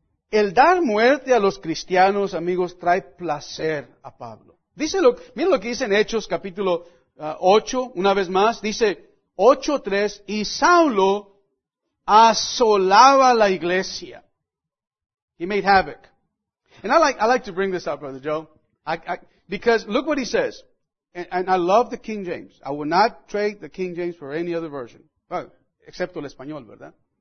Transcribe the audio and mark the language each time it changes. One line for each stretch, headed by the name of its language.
Spanish: El dar muerte a los cristianos, amigos, trae placer a Pablo. Mira lo que dice en Hechos capítulo 8, una vez más. Dice 8:3, y Saulo asolaba la iglesia.
English: He made havoc. And I like to bring this up, Brother Joe. Because look what he says. And I love the King James. I would not trade the King James for any other version.
Spanish: Well, excepto el español, ¿verdad?